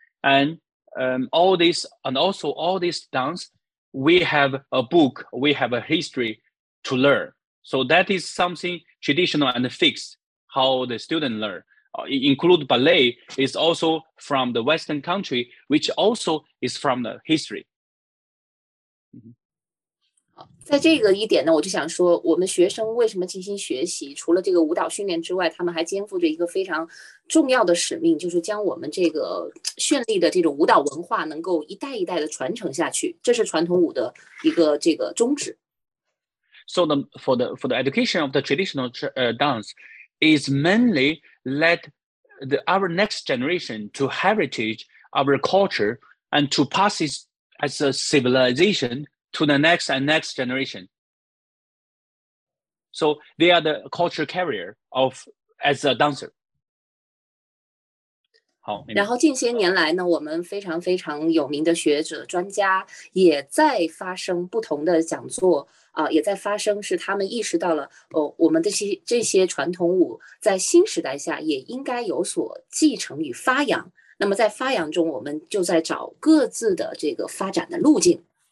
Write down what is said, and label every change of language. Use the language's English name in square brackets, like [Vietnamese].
[English] And all this, and also all this dance, we have a book, we have a history,to learn. So that is something traditional and fixed, how the student learn. Include ballet is also from the Western country, which also is from the history. [Chinese] 在这个一点呢，我就想说我们学生为什么进行学习，除了这个舞蹈训练之外，他们还肩负着一个非常重要的使命，就是将我们这个绚丽的这种舞蹈文化能够一代一代的传承下去，这是传统舞的一个这个宗旨。 [English] So for the education of the traditional dance is mainly let our next generation to heritage our culture and to pass it as a civilization to the next and next generation. So they are the culture carrier of as a dancer. [Chinese] 然后近些年来呢，我们非常非常有名的学者专家也在发生不同的讲座啊，也在发生是他们意识到了我们这些传统舞在新时代下也应该有所继承与发扬，那么在发扬中我们就在找各自的这个发展的路径。